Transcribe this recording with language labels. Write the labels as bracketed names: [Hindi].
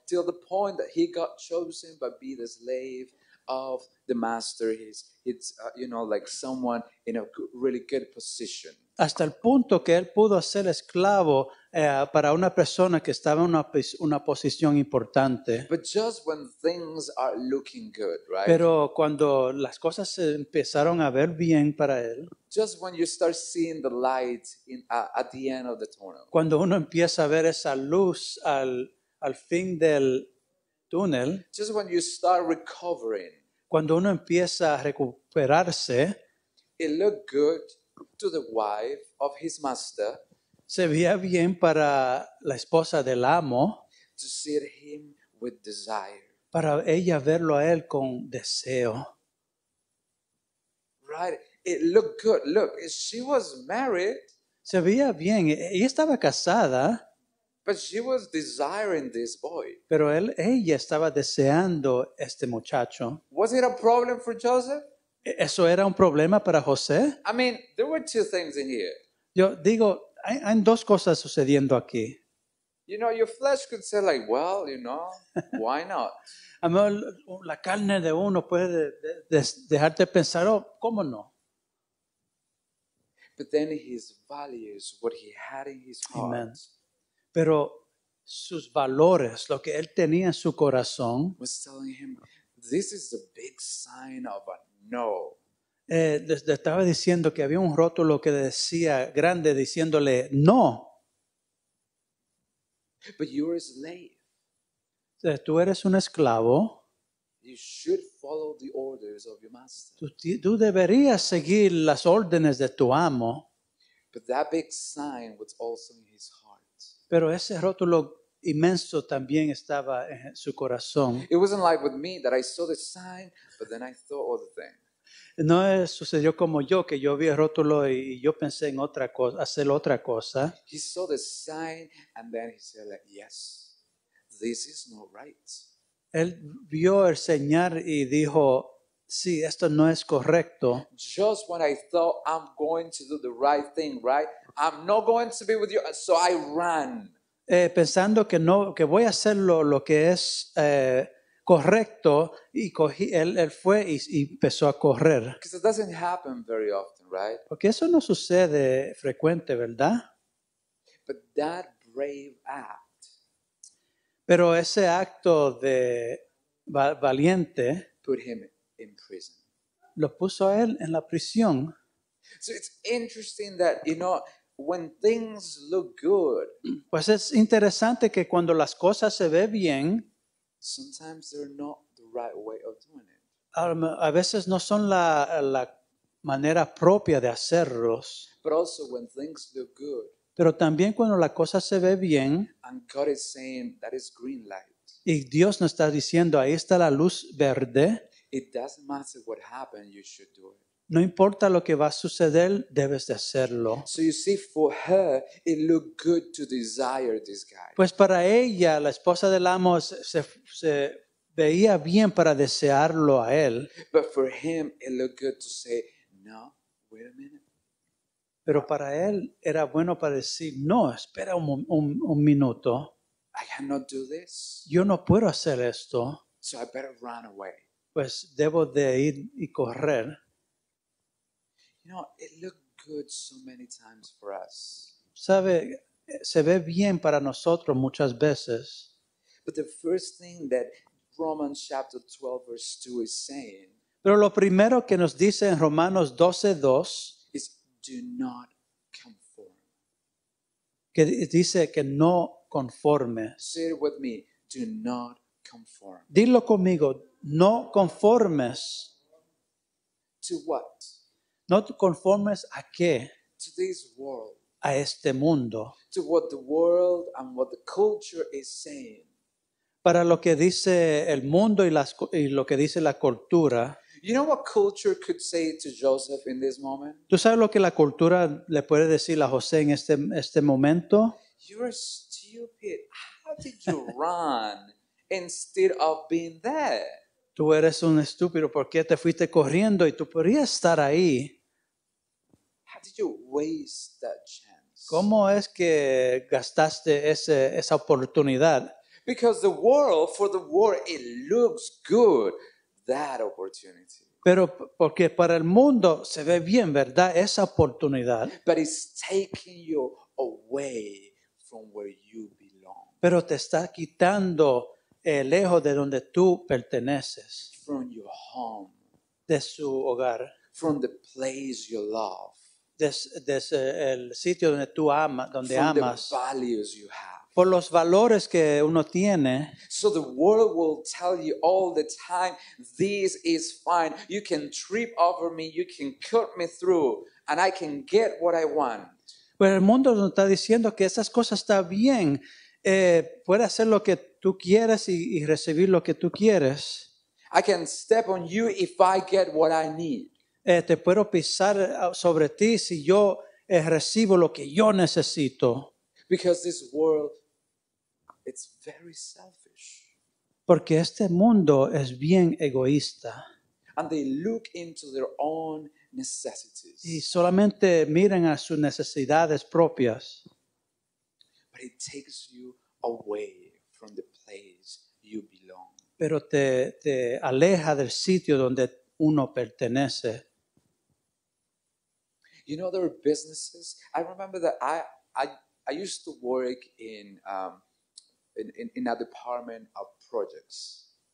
[English] Till the point that he got chosen by being the slave of the master. He's you know, like someone in a really good position. [Spanish] Hasta el punto que él pudo ser esclavo para una persona que estaba en una posición importante. [English] But just when things are looking good, right? [Spanish] Pero cuando las cosas se empezaron a ver bien para él. [English] Just when you start seeing the light at the end of the tunnel. [Spanish] Cuando uno empieza a ver esa luz al fin del túnel. [English] Just when you start recovering. [Spanish] Cuando uno empieza a recuperarse. [English] It looked good to the wife of his master. [Spanish] Se veía bien para la esposa del amo. [English] To see him with desire. [Spanish] Para ella verlo a él con deseo. [English] Right. It looked good. Look, she was married. [Spanish] Se veía bien. Ella estaba casada. [English] But she was desiring this boy. [Spanish] Pero ella estaba deseando este muchacho. [English] Was it a problem for Joseph? [Spanish] ¿Eso era un problema para José? [English] I mean, there were two things in here. [Spanish] Yo digo, hay dos cosas sucediendo aquí. [English] You know, your flesh could say like, well, you know, why not? [Spanish] A mejor la carne de uno puede dejarte pensar, oh, ¿cómo no? [English] But then his values, what he had in his heart. Amen. [Spanish] Pero sus valores, lo que él tenía en su corazón. [English] Was telling him, this is a big sign of a no. [Spanish] Le estaba diciendo que había un rótulo que decía grande diciéndole no. [English] But you're a slave. [Spanish] O sea, tú eres un esclavo. [English] You should follow the orders of your master. [Spanish] Tú deberías seguir las órdenes de tu amo. [English] But that big sign was also in his heart. [Spanish] Pero ese rótulo inmenso también estaba en su corazón. [English] It wasn't like with me that I saw the sign, but then I thought other things. [Spanish] No sucedió como yo, que yo vi el rótulo y yo pensé en otra cosa, hacer otra cosa. [English] He saw the sign and then he said, like, yes, this is not right. [Spanish] Él vio el señal y dijo, sí, esto no es correcto. [English] Just when I thought I'm going to do the right thing, right? I'm not going to be with you. So I ran. [Spanish] Pensando que no, que voy a hacer lo que es correcto, y cogí, él fue y empezó a correr. [English] Because it doesn't happen very often, right? [Spanish] Porque eso no sucede frecuente, ¿verdad? [English] But that brave act. [Spanish] Pero ese acto de valiente [English] put him in prison. [Spanish] Lo puso a él en la prisión. [English] So it's interesting that, you know, when things look good, [Spanish] pues es interesante que cuando las cosas se ve bien, [English] sometimes they're not the right way of doing it. [Spanish] A veces no son la manera propia de hacerlos. [English] But also when things look good, [Spanish] pero también cuando la cosa se ve bien, [English] and God is saying that is green light. [Spanish] Y Dios nos está diciendo ahí está la luz verde. [English] It doesn't matter what happened, you should do it. [Spanish] No importa lo que va a suceder, debes de hacerlo. [English] So you see, for her, it looked good to desire this guy. [Spanish] Pues para ella, la esposa del amo, se veía bien para desearlo a él. [English] But for him, it looked good to say, no, wait a minute. [Spanish] Pero para él, era bueno para decir, no, espera un minuto. [English] I cannot do this. [Spanish] Yo no puedo hacer esto. [English] So I better run away. [Spanish] Pues debo de ir y correr. [English] You know, it looked good so many times for us. [Spanish] Sabe, se ve bien para nosotros muchas veces. [English] But the first thing that Romans chapter 12 verse 2 is saying, [Spanish] pero lo primero que nos dice en Romanos 12:2 [English] is do not conform. [Spanish] Que dice que no conforme. [English] Say it with me, do not conform. [Spanish] Dilo conmigo, no conformes. [English] To what? [Spanish] No conformes a qué? [English] To this world. [Spanish] A este mundo. [English] To what the world and what the culture is saying. [Spanish] Para lo que dice el mundo y lo que dice la cultura. [English] You know what culture could say to Joseph in this moment? [Spanish] ¿Tú sabes lo que la cultura le puede decir a José en este momento? [English] You're stupid. How did you run instead of being there? [Spanish] Tú eres un estúpido, ¿por qué te fuiste corriendo y tú podrías estar ahí? How did you waste that chance? ¿Cómo es que gastaste esa oportunidad? [English] Because the world, for the world, it looks good, that opportunity. [Spanish] Pero porque para el mundo se ve bien, ¿verdad? Esa oportunidad. [English] But it's taking you away from where you belong. [Spanish] Pero te está quitando lejos de donde tú perteneces. [English] From your home. [Spanish] De su hogar. [English] From the place you love. [Spanish] Desde el sitio donde tú amas, donde [English] from [Spanish] amas. [English] The values you have. [Spanish] Por los valores que uno tiene. [English] So the world will tell you all the time, this is fine. You can trip over me, you can cut me through, and I can get what I want. [Spanish] Pero el mundo nos está diciendo que esas cosas están bien. Puede hacer lo que tú quieres y recibir lo que tú quieres. [English] I can step on you if I get what I need. [Spanish] Te puedo pisar sobre ti si yo recibo lo que yo necesito. [English] Because this world, it's very selfish. [Spanish] Porque este mundo es bien egoísta. [English] And they look into their own necessities. [Spanish] Y solamente miran a sus necesidades propias. [English] But it takes you away from the place you belong. [Spanish] Pero te aleja del sitio donde uno pertenece. [English] You know, there are businesses. I remember that I used to work in a department of projects.